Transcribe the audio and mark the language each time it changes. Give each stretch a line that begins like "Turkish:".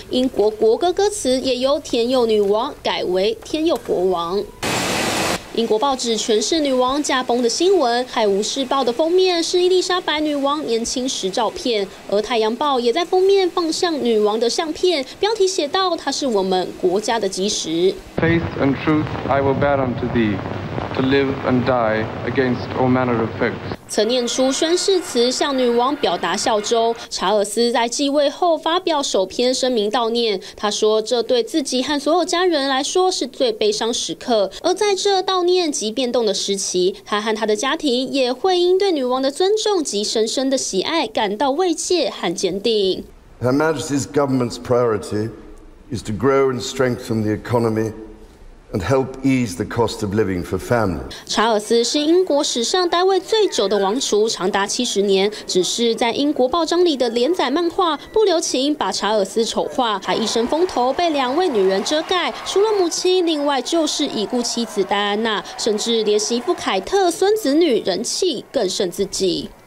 Chinese: 英国国歌歌词也由天佑女王改为天佑国王。英国报纸全是女王驾崩的新闻，《泰晤士报》的封面是伊丽莎白女王年轻时照片，而《太阳报》也在封面放上女王的相片，标题写道：“她是我们国家的基石。”
English: Faith and truth, I will bear unto thee, to live and die against all manner of foes.
Chinese: 曾念出宣誓词向女王表达效忠。查尔斯在继位后发表首篇声明悼念，他说这对自己和所有家人来说是最悲伤时刻，而在这悼念及变动的时期，他和他的家庭也会因对女王的尊重及深深的喜爱感到慰藉和坚定。
English: Her Majesty's government's priority is to grow and strengthen the economyAnd help ease the cost of living for families.
Chinese: 查尔斯是英国史上待位最久的王储，长达70年。只是在英国报章里的连载漫画不留情把查尔斯丑化，他一身风头被两位女人遮盖，除了母亲，另外就是已故妻子戴安娜，甚至连媳妇凯特、孙子女人气更胜自己。